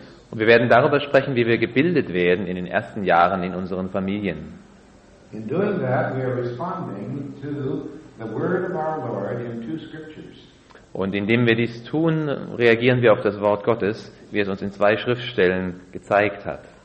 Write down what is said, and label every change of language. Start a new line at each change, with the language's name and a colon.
German: Und wir werden darüber sprechen, wie wir gebildet werden in den ersten Jahren in unseren Familien.
English: In doing that, we are responding to the word of our Lord in 2 scriptures.
German: Und indem wir dies tun, reagieren wir auf das Wort Gottes, wie es uns in 2 Schriftstellen gezeigt hat.